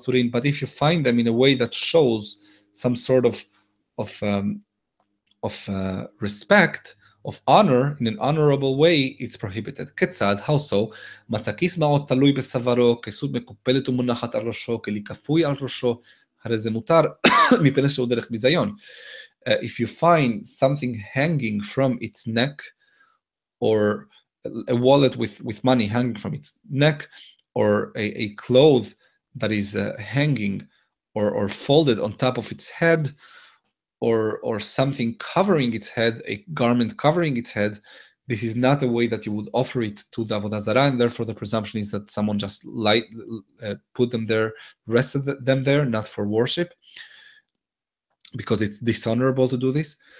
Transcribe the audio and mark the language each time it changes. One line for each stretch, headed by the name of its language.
English: But if you find them in a way that shows some sort of respect, of honor, in an honorable way, it's prohibited.
Hebrew: כיצד,
English: how so?
Hebrew: מצא כיס מעות תלוי בסברו, כסות מקופלת ומונחת על ראשו, כלי כפוי על ראשו, הרי זה מותר מפני שהוא דרך ביזיון.
English: If you find something hanging from its neck, or a wallet with money hanging from its neck, or a cloth that is hanging or folded on top of its head, or something covering its head, a garment covering its head, this is not a way that you would offer it to the Avodah Zarah, and therefore the presumption is that someone just put them there, rested them there, not for worship, because it's dishonorable to do this.